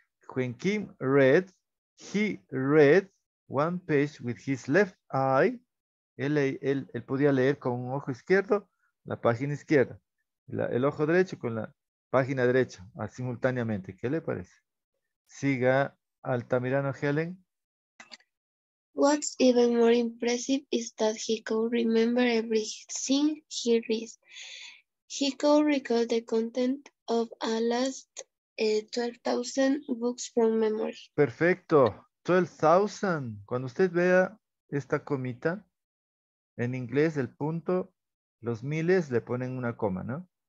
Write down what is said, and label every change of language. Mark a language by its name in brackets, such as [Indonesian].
[English] When Kim read, he read one page with his left eye. [Spanish] Él podía leer con un ojo izquierdo, la página izquierda. El ojo derecho con la página derecha, simultáneamente. ¿Qué le parece? Siga Altamirano Helen. [English] What's even more impressive is that he could remember everything he reads. He could recall the content of at least 12,000 books from memory. [Spanish] Perfecto. 12,000. Cuando usted vea esta comita, en inglés el punto, los miles le ponen una coma, ¿no?